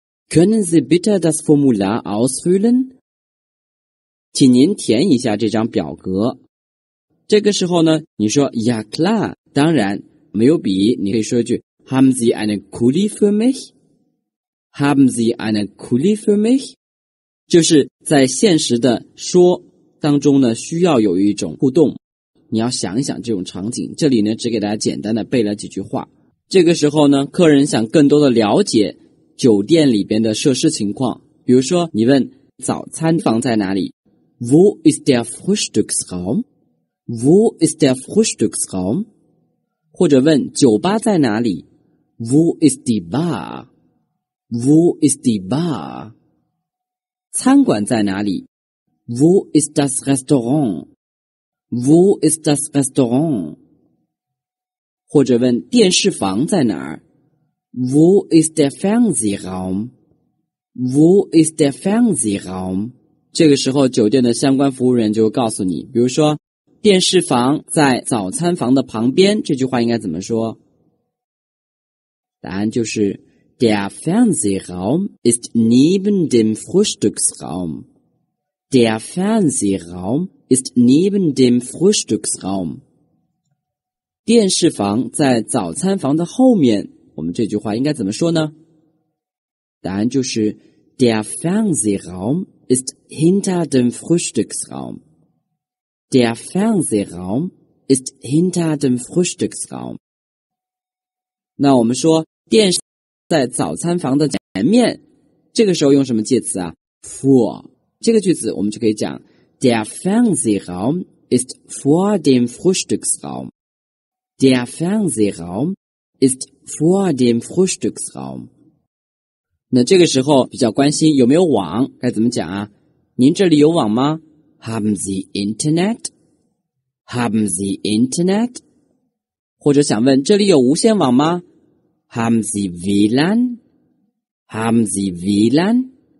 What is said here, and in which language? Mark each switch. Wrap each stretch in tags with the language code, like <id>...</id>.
<de>Können Sie bitte das Formular ausfüllen?</de> <zh>请您填一下这张表格。这个时候呢，你说</zh> <de>Ja klar,</de> <zh>当然，没有笔，你可以说一句</zh> <de>Haben Sie eine Kuli für mich? Haben Sie eine Kuli für mich?</de> <zh>就是在现实的说当中呢，需要有一种互动，你要想一想这种场景。这里呢，只给大家简单的背了几句话。这个时候呢，客人想更多的了解酒店里边的设施情况，比如说你问早餐房在哪里 ？</zh> <de>Wo ist der Frühstücksraum? Wo ist der Frühstücksraum?</de> <zh>或者问酒吧在哪里 ？</zh> <de>Wo ist die Bar? Wo ist die Bar?</de> <zh>餐馆在哪里？</zh> <de>Wo ist das Restaurant? Wo ist das Restaurant?</de> <zh>或者问电视房在哪儿?</zh> <de>Wo ist der Fernsehraum? Wo ist der Fernsehraum?</de> <zh>这个时候酒店的相关服务员就会告诉你，比如说电视房在早餐房的旁边，这句话应该怎么说？答案就是</zh> <de>Der Fernsehraum ist neben dem Frühstücksraum. Der Fernsehraum ist neben dem Frühstücksraum.</de> <zh>电视房在早餐房的后面，我们这句话应该怎么说呢？答案就是</zh> <de>Der Fernsehraum ist hinter dem Frühstücksraum. Der Fernsehraum ist hinter dem Frühstücksraum.</de> <zh>那我们说电视在早餐房的前面，这个时候用什么介词啊？</zh> <de>Vor.</de> <zh>这个句子我们就可以讲</zh> <de>Der Fernsehraum ist vor dem Frühstücksraum. Der Fernsehraum ist vor dem Frühstücksraum.</de> <zh>那这个时候比较关心有没有网，该怎么讲啊？您这里有网吗？</zh> <de>Haben Sie Internet? Haben Sie Internet?</de> <zh>或者想问这里有无线网吗？</zh> <de>Haben Sie WLAN? Haben Sie WLAN?</de>